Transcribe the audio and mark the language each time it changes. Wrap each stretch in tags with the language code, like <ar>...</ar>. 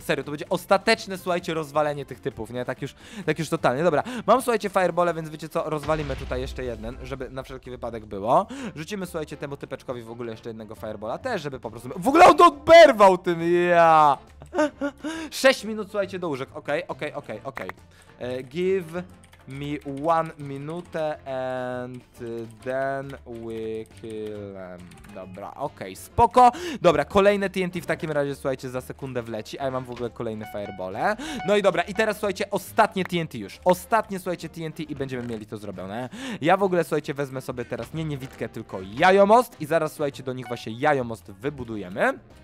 <pl>Serio, to będzie ostateczne, słuchajcie, rozwalenie tych typów, nie? Tak już totalnie. Dobra, mam, słuchajcie, fireballe, więc wiecie co? Rozwalimy tutaj jeszcze jeden, żeby na wszelki wypadek było. Rzucimy, słuchajcie, temu typeczkowi w ogóle jeszcze jednego fireballa. Też, żeby po prostu... W ogóle on to oderwał tym, ja! 6 minut, słuchajcie, do łóżek. Okej, okej, okej, okej.</pl> <en>Give me 1 minute and then we kill them.</en> <pl>Dobra, okej, okay, spoko. Dobra, kolejne TNT w takim razie, słuchajcie, za sekundę wleci, a ja mam w ogóle kolejne fireballe. No i dobra, i teraz, słuchajcie, ostatnie TNT już. Ostatnie, słuchajcie, TNT i będziemy mieli to zrobione. Ja w ogóle, słuchajcie, wezmę sobie teraz nie niewidkę, tylko jajomost i zaraz, słuchajcie, do nich właśnie jajomost wybudujemy.</pl>